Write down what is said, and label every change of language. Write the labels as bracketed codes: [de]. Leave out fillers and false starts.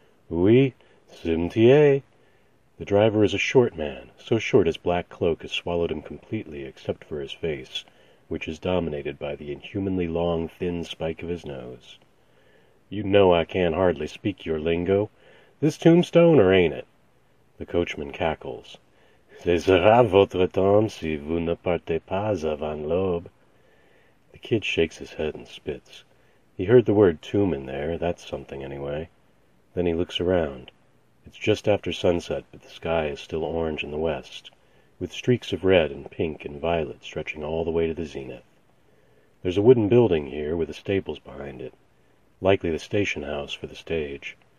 [fr] Oui, cimetière. [en] The driver is a short man, so short his black cloak has swallowed him completely except for his face, which is dominated by the inhumanly long, thin spike of his nose. You know I can hardly speak your lingo. This tombstone, or ain't it? The coachman cackles. [fr] Ce sera votre temps si vous ne partez pas avant l'aube. [en] The kid shakes his head and spits. He heard the word tomb in there, that's something anyway. Then he looks around. It's just after sunset, but the sky is still orange in the west, with streaks of red and pink and violet stretching all the way to the zenith. There's a wooden building here with a stables behind it, likely the station house for the stage.